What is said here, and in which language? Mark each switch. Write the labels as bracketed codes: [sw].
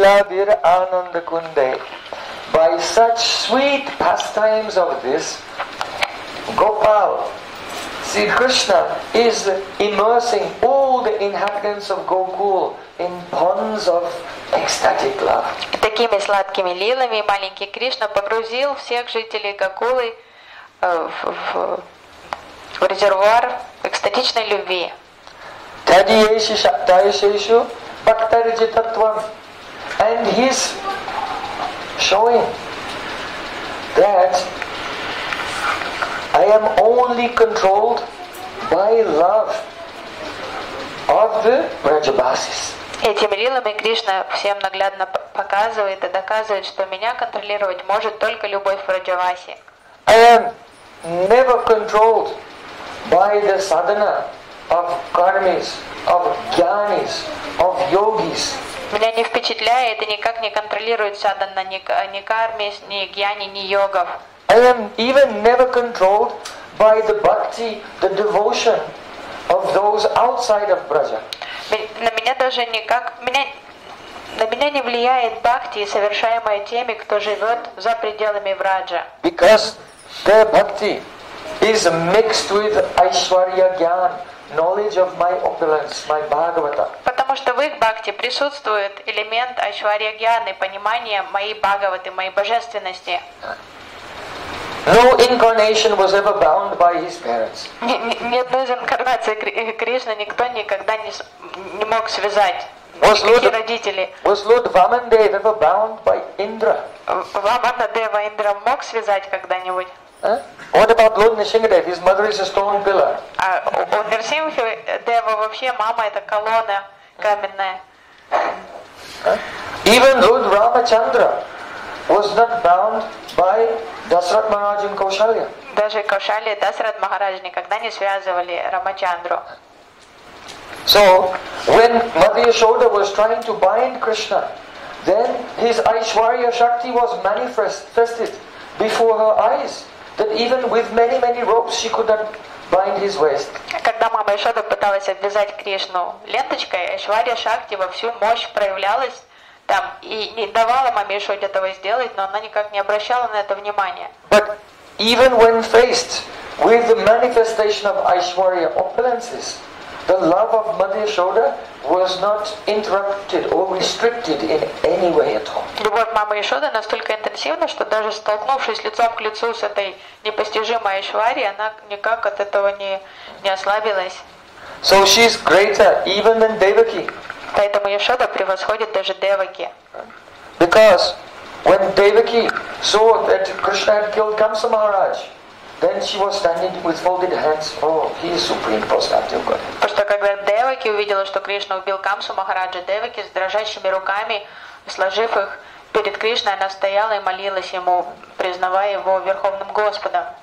[sa] Свалила вир ананда кунде. [en] By such sweet pastimes of this, Gopal, Sri Krishna is immersing all the inhabitants of Gokul in ponds of ecstatic love. [ru] Такими сладкими лилами маленький Кришна погрузил всех жителей Гокулы в резервуар экстатичной любви. [sa] Тади Еши Шактаишишу Бхактариджитартван. [en] And he's showing that I am only controlled by love of the Vrajabhasis. [ru] Этим лилами Кришна всем наглядно показывает и доказывает, что меня контролировать может только любовь Враджаваси. [en] I am never controlled by the sadhana of karmis, of jnanis, of yogis. [ru] Меня не впечатляет и никак не контролирует садхана ни кармис, ни гьяни, ни йогов. [en] I am even never controlled by the bhakti, the devotion of those outside of Braja. [ru] На меня не влияет бхакти, совершаемая теми, кто живет за пределами Враджа. [en] Because their bhakti is mixed with Aishwarya Gyan, knowledge of my opulence, my Bhagavata. [ru] Потому что в их бхакти присутствует элемент Aishwarya Gyan и понимание моей Бхагаваты, моей божественности. [en] No incarnation was ever bound by his parents. [ru] Ни одной из инкарнаций Кришны никто никогда не мог связать. Никакие родители. [en] Was Lord Vamandev ever bound by Indra? [ru] Vamanadeva Indra мог связать когда-нибудь? [en] What about Lord Nrsimhadev? His mother is a stone pillar. [ru] А у Нрсимхадева вообще мама это колонна каменная. [en] Even Lord Ramachandra was not bound by Dasarath Maharaj and Kaushalya. [ru] Даже Кошалья и Дасарата Махараджа никогда не связывали Рамачандру. [en] So, when Mother Yashoda was trying to bind Krishna, then his Aishwarya Shakti was manifested before her eyes, that even with many, many ropes she could not bind his waist. [ru] Когда Мама Яшода пыталась обвязать Кришну ленточкой, Aishwarya Shakti во всю мощь проявлялась там, и не давала маме еще этого сделать, но она никак не обращала на это внимания. [en] But even when faced with the manifestation of Aishwarya opulences, the love of Mother Yashoda was not interrupted or restricted in any way at all. [ru] Любовь мамы Яшоды настолько интенсивна, что даже столкнувшись лицом к лицу с этой непостижимой Айшварией, она никак от этого не ослабилась. [en] So she is greater even than Devaki. [ru] Поэтому Яшода превосходит даже Деваки. [en] Because when Devaki saw that Krishna had killed Kamsa Maharaj, then she was standing with folded hands. Oh, he is supreme personality of God. [ru] Потому что когда Деваки увидела, что Кришна убил Камсу Махараджа, Деваки с дрожащими руками, сложив их перед Кришной, она стояла и молилась ему, признавая его верховным Господом.